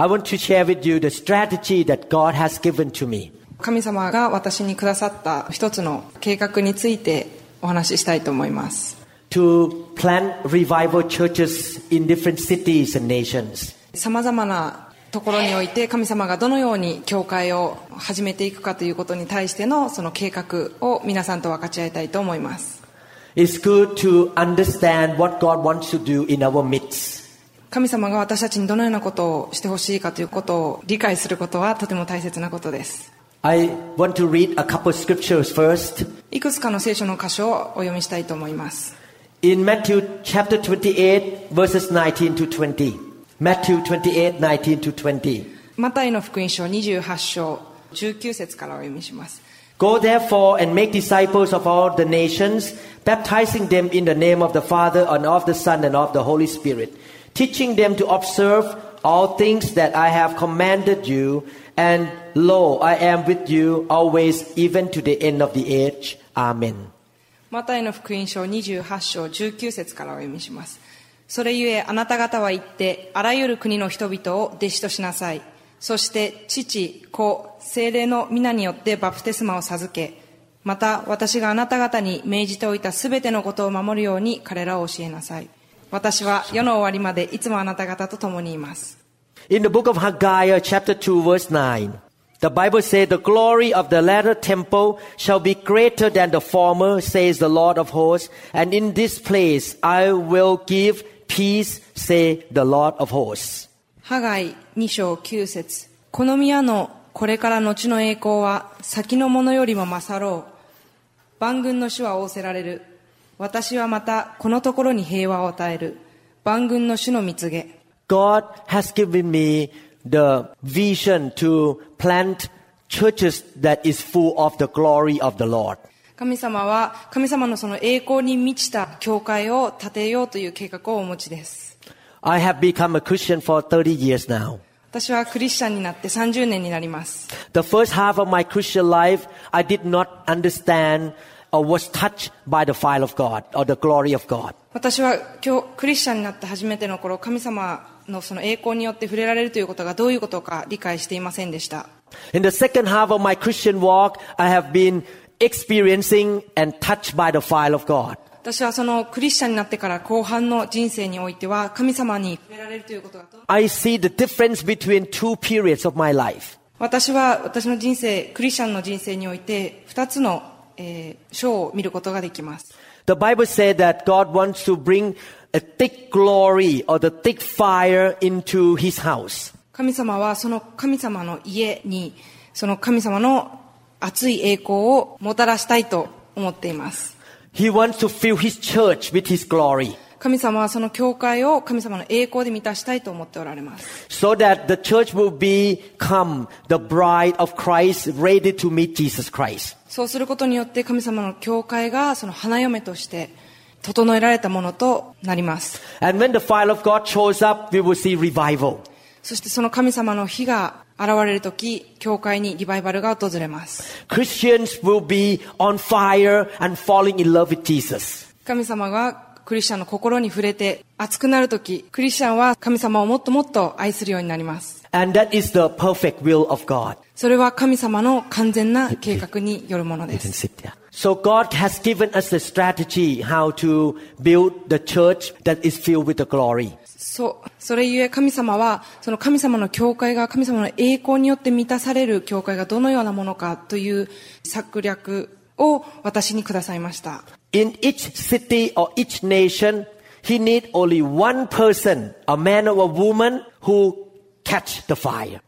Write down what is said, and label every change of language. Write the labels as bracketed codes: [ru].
[en] I want to share with you the strategy that God has given to me. [ja] 神様が私にくださった一つの計画についてお話ししたいと思います。 [en] To plant revival churches in different cities and nations. [ja] 様々なところにおいて、神様がどのように教会を始めていくかということに対してのその計画を皆さんと分かち合いたいと思います。 [en] It's good to understand what God wants to do in our midst. [ja] 神様が私たちにどのようなことをしてほしいかということを理解することはとても大切なことです。 [en] I want to read a couple of scriptures first. [ja] いくつかの聖書の箇所をお読みしたいと思います。 [en] In Matthew chapter 28, verses 19 to 20. Matthew 28, 19 to 20. [ja] マタイの福音書28章19節からお読みします。 [en] Go therefore and make disciples of all the nations, baptizing them in the name of the Father and of the Son and of the Holy Spirit, teaching them to observe all things that I have commanded you, and lo, I am with you always, even to the end of the age. Amen. [ja] マタイの福音書28章19節からお読みします。それゆえあなた方は言って、あらゆる国の人々を弟子としなさい。そして父、子、聖霊の御名によってバプテスマを授け、また私があなた方に命じておいたすべてのことを守るように彼らを教えなさい。私は世の終わりまでいつもあなた方と共にいます。 [en] In the book of Haggai chapter 2 verse 9, the Bible says, The glory of the latter temple shall be greater than the former, says the Lord of hosts, and in this place I will give peace, say the Lord of hosts. [ja] ハガイ2章9節、この宮のこれから後の栄光は先のものよりも勝ろう。万軍の主は仰せられる。私はまたこのところに平和を与える。万軍の主の御告げ。 [en] God has given me the vision to plant churches that is full of the glory of the Lord. [ja] 神様は神様のその栄光に満ちた教会を建てようという計画をお持ちです。 [en] I have become a Christian for 30 years now. [ja] 私はクリスチャンになって30年になります。 [en] The first half of my Christian life, I did not understand or was touched by the fire of God or the glory of God. [ja] 私は今日クリスチャンになって初めての頃、神様のその栄光によって触れられるということがどういうことか理解していませんでした。 [en] In the second half of my Christian walk, I have been experiencing and touched by the fire of God. [ja] 私はそのクリスチャンになってから後半の人生においては神様に触れられるということが [en] I see the difference between two periods of my life. [ja] 私は私の人生、クリスチャンの人生において二つの、章を見ることができます。 [en] The Bible said that God wants to bring a thick glory or the thick fire into His house. [ja] 神様はその神様の家にその神様の熱い栄光をもたらしたいと思っています。 [en] He wants to fill his church with his glory. [ja] 神様はその教会を神様の栄光で満たしたいと思っておられます。 [en] So that the church will become the bride of Christ, ready to meet Jesus Christ. [ja] そうすることによって神様の教会がその花嫁として整えられたものとなります。 [en] And when the fire of God shows up, we will see revival. [ja] そしてその神様の火が現れるとき、教会にリバイバルが訪れます。 [en] Christians will be on fire and falling in love with Jesus. [ja] 神様がクリスチャンの心に触れて熱くなるとき、クリスチャンは神様をもっともっと愛するようになります。 [en] And that is the perfect will of God. [ja] それは神様の完全な計画によるものです。 [en] You can sit there. So God has given us the strategy how to build the church that is filled with the glory. [ja] So, それゆえ神様はその神様の教会が神様の栄光によって満たされる教会がどのようなものかという策略を私にくださいました。 [en] In each city or each nation, he need only one person, a man or a woman, who catch the fire.